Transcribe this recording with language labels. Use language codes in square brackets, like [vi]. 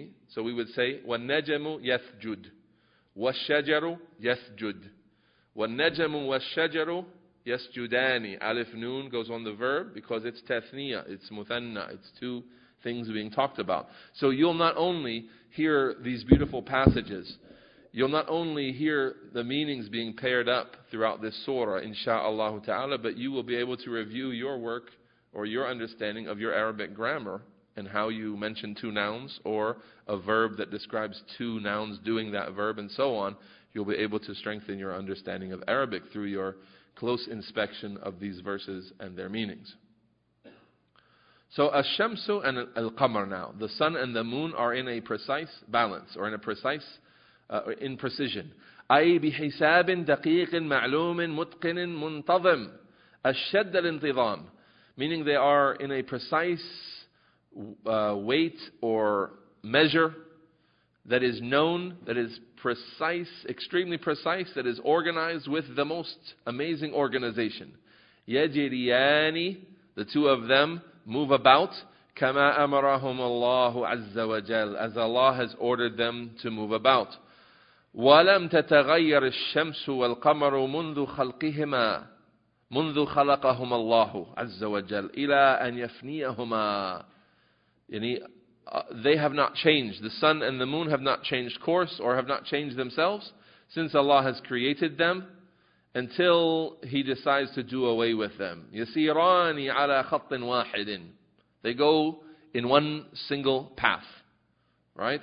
[en] So we would say, [ar] وَالنَّجَمُ يَسْجُدْ وَالشَّجَرُ يَسْجُدْ وَالنَّجَمُ وَالشَّجَرُ يَسْجُدَانِ. [en] Alif Noon goes on the verb because it's tathniya, it's muthanna, it's two things being talked about. So you'll not only hear these beautiful passages, you'll not only hear the meanings being paired up throughout this surah, insha'Allah ta'ala, but you will be able to review your work or your understanding of your Arabic grammar and how you mention two nouns or a verb that describes two nouns doing that verb and so on. You'll be able to strengthen your understanding of Arabic through your close inspection of these verses and their meanings. So, al-shamsu and al-qamar now. The sun and the moon are in a precise balance or in a precise in precision. [ar] أي بحساب دقيق معلوم متقن منتظم أشد الانتظام. [en] Meaning they are in a precise weight or measure that is known, that is precise, extremely precise, that is organized with the most amazing organization. يجريان, the two of them move about, [ar] كما أمرهم الله عز وجل, [en] as Allah has ordered them to move about. [ar] ولم تتغير الشمس والقمر منذ خلقهما منذ خلقهما الله عز وجل إلى أن يفنيهما. [en] يعني, they have not changed. The sun and the moon have not changed course or have not changed themselves since Allah has created them until He decides to do away with them. [ar] يسيران على خط واحد. [en] They go in one single path. Right?